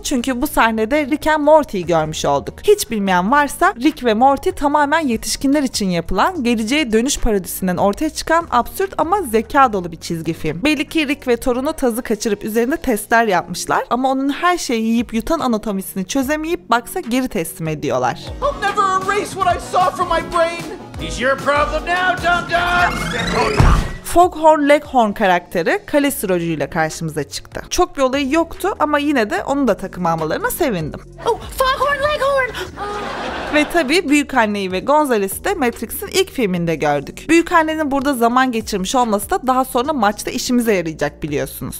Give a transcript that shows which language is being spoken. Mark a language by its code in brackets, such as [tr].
[tr] Çünkü bu sahnede Rick and Morty'yi görmüş olduk. Hiç bilmeyen varsa Rick ve Morty tamamen yetişkinler için yapılan, geleceğe dönüş parodisinden ortaya çıkan absürt ama zeka dolu bir çizgi film. Belli ki Rick ve torunu tazı kaçırıp üzerinde testler yapmışlar ama onun her şeyi yiyip yutan anatomisini çözemeyip Bugs'a geri teslim ediyorlar. [en] I'll never erase what I saw from my brain. He's your problem now, dum-dum. [tr] Foghorn Leghorn karakteri kalesi rolüyle karşımıza çıktı. Çok bir olayı yoktu ama yine de onu da takım almalarına sevindim. Oh, Foghorn Leghorn! Ve tabii büyük anneyi ve Gonzales'i de Matrix'in ilk filminde gördük. Büyük annenin burada zaman geçirmiş olması da daha sonra maçta işimize yarayacak biliyorsunuz.